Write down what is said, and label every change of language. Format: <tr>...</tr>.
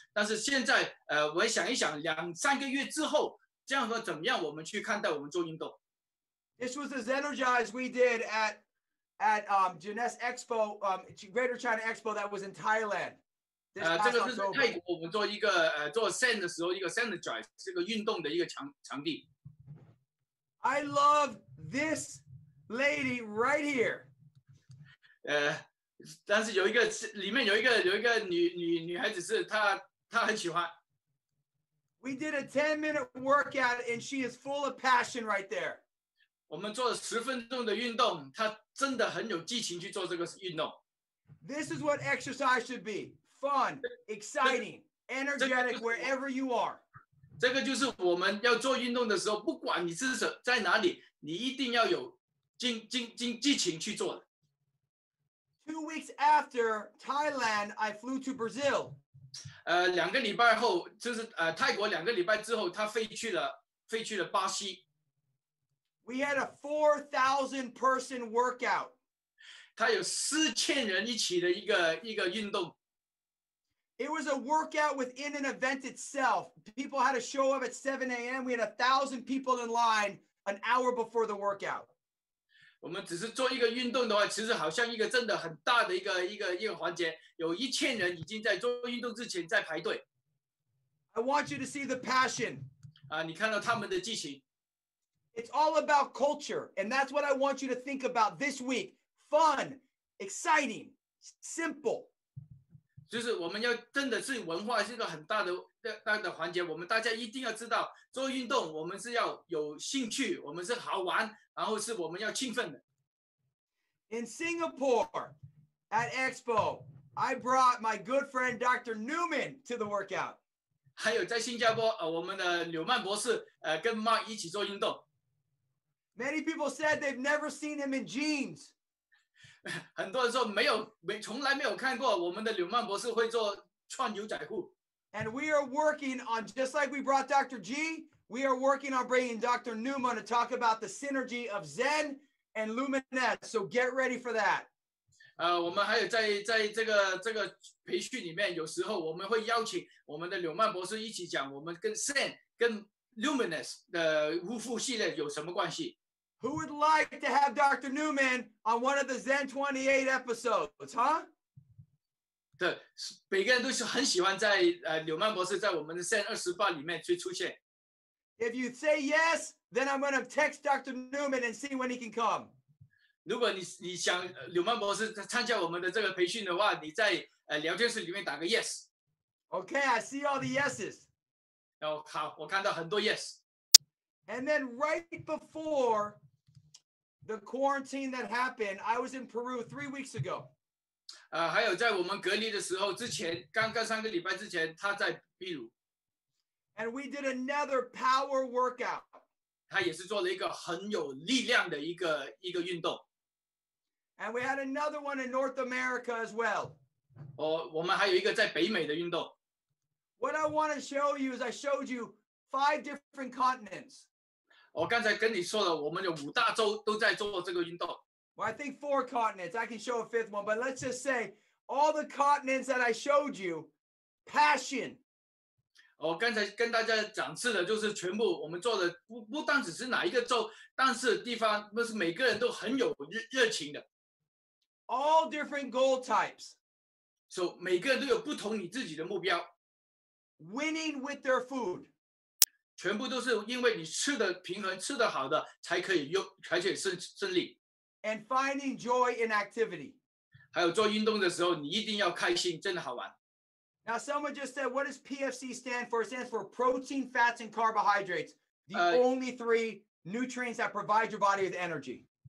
<zh>但是现在，我想一想，两三个月之后，这样和怎么样，我们去看待我们做运动。</zh> <en>This was the Zenergize we did at Jeunesse Expo, Greater China Expo that was in Thailand.</en> <zh>这个是在泰国，我们做一个做 Zen 的时候，一个 Zenergize 这个运动的一个场地。</zh> <en>I love this lady right here.</en> <zh>但是有一个里面有一个女孩子是她很喜欢。</zh> <en>We did a 10-minute workout and she is full of passion right there.</en> <zh>我们做了10分钟的运动，她真的很有激情去做这个运动。</zh> <en>This is what exercise should be: fun, exciting, energetic, wherever you are.</en> <zh>这个就是我们要做运动的时候，不管你是在哪里，你一定要有激情去做的。</zh> <en>2 weeks after Thailand, I flew to Brazil.</en> <zh>两个礼拜后，就是泰国两个礼拜之后，他飞去了巴西。</zh> <en>We had a 4,000-person workout.</en> <zh>他有4,000人一起的一个运动。</zh> <en>It was a workout within an event itself. People had to show up at 7 a.m. We had 1,000 people in line an hour before the workout.</en> <zh>我们只是做一个运动的话，其实好像一个真的很大的一个环节，有1,000人已经在做运动之前在排队。</zh> <en>I want you to see the passion.</en> <zh>你看到他们的激情。</zh> <en>It's all about culture, and that's what I want you to think about this week. Fun, exciting, simple.</en> <zh>就是我们要真的是文化是一个很大的环节，我们大家一定要知道做运动我们是要有兴趣，我们是好玩，然后是我们要兴奋的。</zh> <en>In Singapore at Expo, I brought my good friend Dr. Newman to the workout.</en> <zh>还有在新加坡，我们的纽曼博士跟 Mark 一起做运动。</zh> <en>Many people said they've never seen him in jeans.</en> <zh>很多人说从来没有看过我们的柳曼博士会做穿牛仔裤。</zh> <en>And we are working on, just like we brought Dr. G, we are working on bringing Dr. Newman to talk about the synergy of Zen and Luminette. So get ready for that.</en> <zh>我们还有在这个培训里面，有时候我们会邀请我们的柳曼博士一起讲我们跟 Zen 跟 Luminette 的无负系列有什么关系。</zh> <en>Who would like to have Dr. Newman on one of the ZEN 28 episodes, huh?</en> <zh>对，每个人都是很喜欢在柳曼博士在我们的 ZEN 28里面去出现。</zh> <en>If you say yes, then I'm going to text Dr. Newman and see when he can come.</en> <zh>如果你想柳曼博士参加我们的这个培训的话，你在聊天室里面打个 yes.</zh> <en>Okay, I see all the yeses.</en> <zh>好，我看到很多 yes.</zh> <en>And then right before the quarantine that happened, I was in Peru 3 weeks ago.</en> <zh>还有在我们隔离的时候之前，刚刚三个礼拜之前，他在秘鲁。</zh> <en>And we did another power workout.</en> <zh>他也是做了一个很有力量的一个运动。</zh> <en>And we had another one in North America as well.</en> <zh>我们还有一个在北美的运动。</zh> <en>What I want to show you is I showed you five different continents.</en> <zh>我刚才跟你说了，我们有五大洲都在做这个运动。</zh> <en>Well, I think four continents. I can show a fifth one, but let's just say all the continents that I showed you, passion.</en> <zh>我刚才跟大家展示的就是全部我们做的不单只是哪一个洲，但是地方不是每个人都很有热情的。</zh> <en>All different goal types.</en> <zh>So 每个人都有不同你自己的目标。</zh> <en>winning with their food.</en> <zh>全部都是因为你吃的平衡，吃的好的，才可以用，才可以胜利。</zh> <en>And finding joy in activity.</en> <zh>还有做运动的时候，你一定要开心，真的好玩。</zh> <en>Now someone just said, what does PFC stand for? It stands for protein, fats, and carbohydrates. The only three nutrients that provide your body with energy.</en>